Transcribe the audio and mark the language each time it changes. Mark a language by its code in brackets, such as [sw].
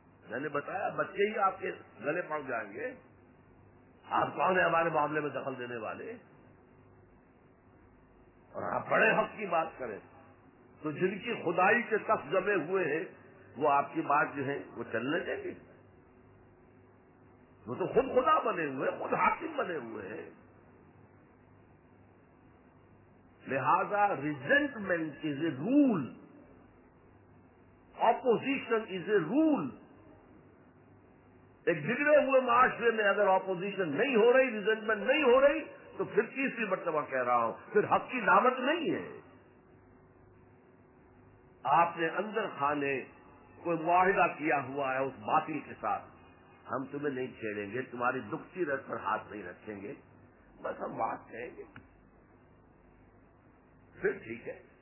[ur] میں نے بتایا بچے ہی آپ کے گلے پڑ جائیں گے، آپ کون ہیں ہمارے معاملے میں دخل دینے والے؟ اور آپ بڑے حق کی بات کریں تو جن کی خدائی کے تف جمے ہوئے ہیں وہ آپ کی بات جو ہے وہ چلنے دیں گے؟ وہ تو خود خدا بنے ہوئے، خود حاکم بنے ہوئے ہیں. لہذا [en] Resentment is a rule, opposition is a rule. [ur] ایک بگڑے ہوئے معاشرے میں اگر اپوزیشن نہیں ہو رہی، ریزنٹمنٹ نہیں ہو رہی، تو پھر تیسری مرتبہ کہہ رہا ہوں، پھر حق کی دعوت نہیں ہے. آپ نے اندر خانے کوئی معاہدہ کیا ہوا ہے اس باطل کے ساتھ، ہم تمہیں نہیں چھیڑیں گے، تمہاری دکھتی رت پر ہاتھ نہیں رکھیں گے، بس ہم بات کہیں گے، پھر ٹھیک ہے.